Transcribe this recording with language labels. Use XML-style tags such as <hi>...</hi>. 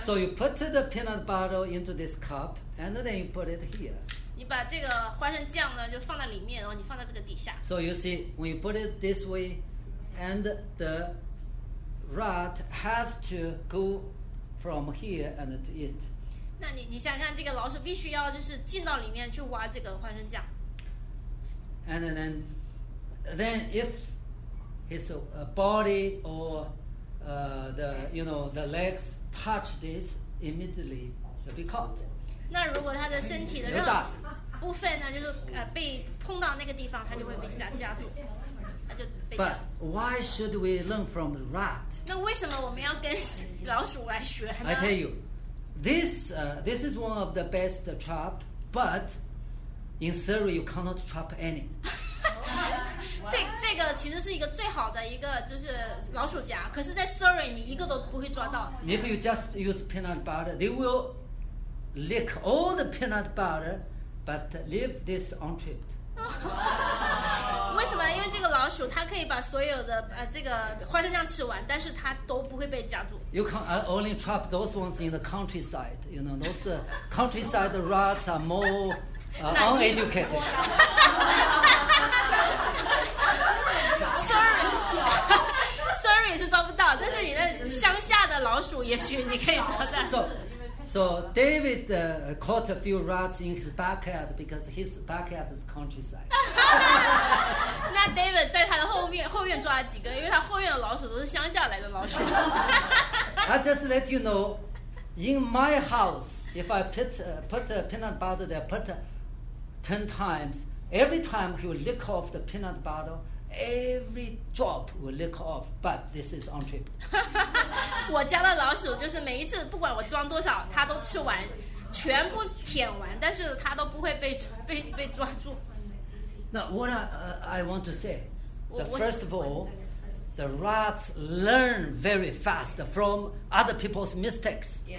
<en>So you put the peanut butter into this cup, and then you put it here.</en> <zh>你把这个花生酱呢，就放在里面，然后你放在这个底下。</zh> <en>So you see, when you put it this way, and the Rat has to go from here and to eat.</en> <zh>那你想想，这个老鼠必须要就是进到里面去挖这个花生酱。</zh> <en>And then if his body or the, you know, the legs touch this, immediately he'll be caught.</en> <zh>那如果他的身体的任何部分呢，就是被碰到那个地方，他就会被夹住。</zh> <en>But why should we learn from the rat?</en> <zh>那为什么我们要跟老鼠来学呢？</zh> <en>I tell you, this is one of the best trap, but in theory you cannot trap any.</en> <zh>这个其实是一个最好的一个就是老鼠夹，可是在 theory 你一个都不会抓到。</zh> <en>If you just use peanut butter, they will lick all the peanut butter, but leave this untripped.</en> <zh>为什么？因为这个老鼠它可以把所有的这个花生酱吃完，但是它都不会被夹住。</zh> <en>You can only trap those ones in the countryside. You know, those countryside rats are more uneducated.</en> <zh>Sorry 是抓不到，但是你的乡下的老鼠也许你可以抓到。</zh> <en>So David caught a few rats in his backyard because his backyard is countryside.</en> <zh>那 David 在他的后院抓了几个，因为他后院的老鼠都是乡下来的老鼠。</zh> <en>I just let you know, in my house, if I put peanut butter there, put 10 times, every time he will lick off the peanut butter,Every drop will lick off, but this is on trip.</en> <zh>我家的老鼠就是每一次不管我装多少，它都吃完，全部舔完，但是它都不会被抓住。</zh> <en>Now what I want to say, first of all, the rats learn very fast from other people's mistakes.</en>